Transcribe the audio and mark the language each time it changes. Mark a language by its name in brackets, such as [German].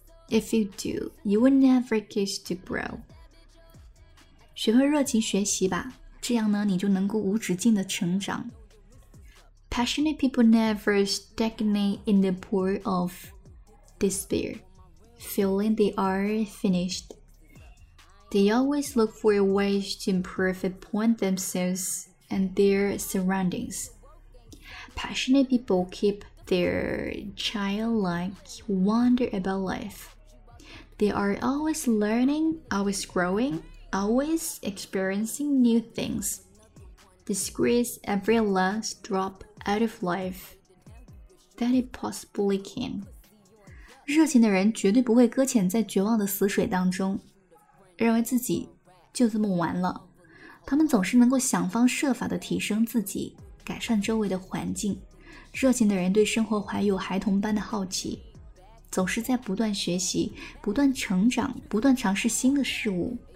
[English] If you do, you will never cease to grow. [Chinese] 学会热情学习吧，这样呢，你就能够无止境的成长。 [English] Passionate people never stagnate in the pool of despair, feeling they are finished. They always look for ways to improve upon themselves and their surroundings. Passionate people keep their childlike wonder about life. They are always learning, always growing, always experiencing new things. They squeeze every last drop out of life that it possibly can. [Chinese] 热情的人绝对不会搁浅在绝望的死水当中，认为自己就这么完了。他们总是能够想方设法地提升自己，改善周围的环境。热情的人对生活怀有孩童般的好奇，总是在不断学习，不断成长，不断尝试新的事物。